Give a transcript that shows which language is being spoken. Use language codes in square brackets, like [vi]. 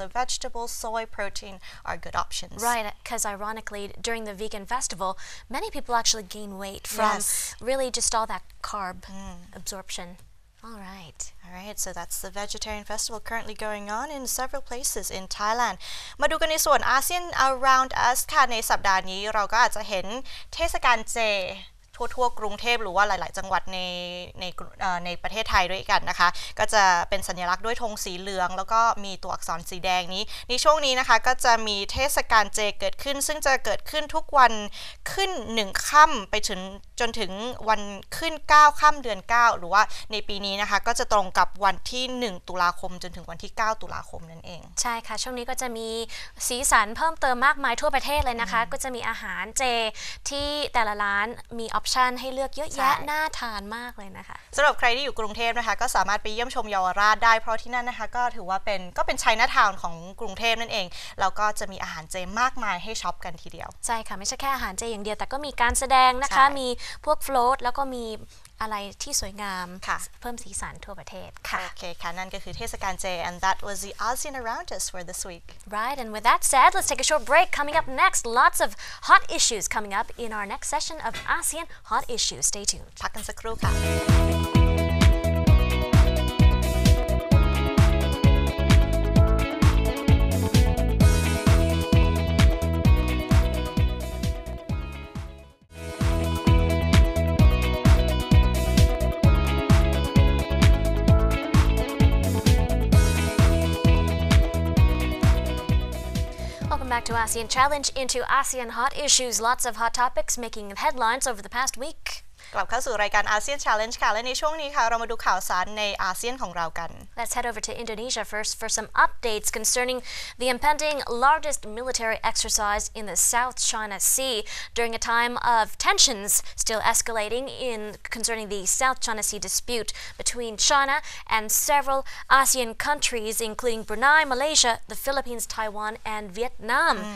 [en] So vegetables, soy, protein are good options. Right, because ironically, during the vegan festival, many people actually gain weight from really just all that carb absorption. All right, so that's the vegetarian festival currently going on in several places in Thailand. [th] มาดูกันในส่วน ASEAN around us ค่ะในสัปดาห์นี้เราก็อาจจะเห็นเทศกาลเจทั่วๆกรุงเทพหรือว่าหลายๆจังหวัดในประเทศไทยด้วยกันนะคะก็จะเป็นสัญลักษณ์ด้วยธงสีเหลืองแล้วก็มีตัวอักษรสีแดงนี้ในช่วงนี้นะคะก็จะมีเทศกาลเจเกิดขึ้นซึ่งจะเกิดขึ้นทุกวันขึ้น1ค่ำไปจนถึงวันขึ้น9ค่ำเดือน9หรือว่าในปีนี้นะคะก็จะตรงกับวันที่1ตุลาคมจนถึงวันที่9ตุลาคมนั่นเอง ใช่ค่ะช่วงนี้ก็จะมีสีสันเพิ่มเติมมากมายทั่วประเทศเลยนะคะก็จะมีอาหารเจที่แต่ละร้านมีออปชันให้เลือกเยอะแยะน่าทานมากเลยนะคะ สำหรับใครที่อยู่กรุงเทพนะคะก็สามารถไปเยี่ยมชมเยาวราชได้เพราะที่นั่นนะคะก็ถือว่าเป็นไชน่าทาวน์ของกรุงเทพนั่นเองแล้วก็จะมีอาหารเจมากมายให้ช็อปกันทีเดียว ใช่ค่ะไม่ใช่แค่อาหารเจอย่างเดียวแต่ก็มีการแสดงนะคะมีพวกโฟลตแล้วก็มีอะไรที่สวยงามเพิ่มสีสันทั่วประเทศค่ะ โอเคค่ะนั่นก็คือเทศกาลเจ [en] and that was the ASEAN around us for this week right and with that said let's take a short break coming up next lots of hot issues coming up in our next session of ASEAN hot issues stay tuned [th] พักกันสักครู่ค่ะ [en] Back to ASEAN Challenge into ASEAN Hot Issues. Lots of hot topics making headlines over the past week. [th] กลับเข้าสู่รายการ ASEAN Challenge ค่ะและในช่วงนี้ค่ะเรามาดูข่าวสารในอาเซียนของเรากัน [en] Let's head over to Indonesia first for some updates concerning the impending largest military exercise in the South China Sea during a time of tensions still escalating in concerning the South China Sea dispute between China and several ASEAN countries including Brunei, Malaysia, the Philippines, Taiwan, and Vietnam.